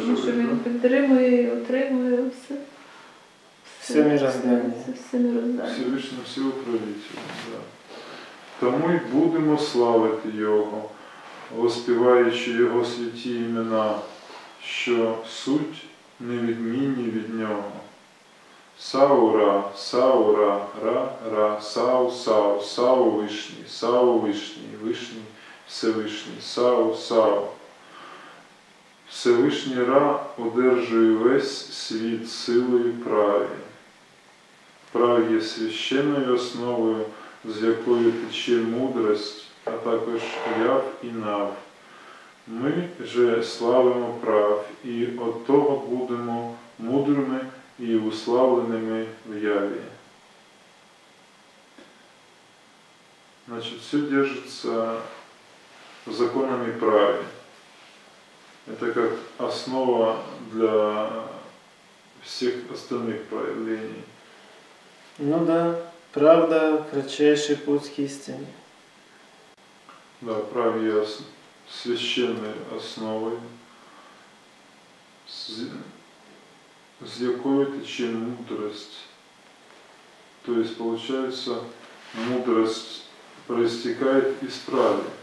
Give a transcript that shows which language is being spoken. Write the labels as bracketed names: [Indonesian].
[Russian] Потому что он поддерживает и [Ukrainian] утримує [Russian] все. Все мироздание. Все мироздание. Всевышний всеуправитель, да. [Ukrainian] Тому и будем славить Його, воспеваючи Його святі імена, що суть невідмінні від Нього. Сау-ра, сау-ра, ра-ра, сау-сау, сау-вишні, сау-вишні, вишні, всевишні, сау-сау. Всевишні ра одержує весь світ силою праві. Прав є священною основою, з якою тече мудрость, а також Яв і Нав. Ми же славимо прав, і от того будемо мудрими і уславленими в Яві. Значить, все держиться законами праві. Це як основа для всіх [Russian] остальних проявлений. Ну так. Да. Правда – кратчайший путь к истине. [Ukrainian] Да, прав є священною основою, з якою тече мудрость. [Russian] То есть, получается, мудрость проистекает из прави.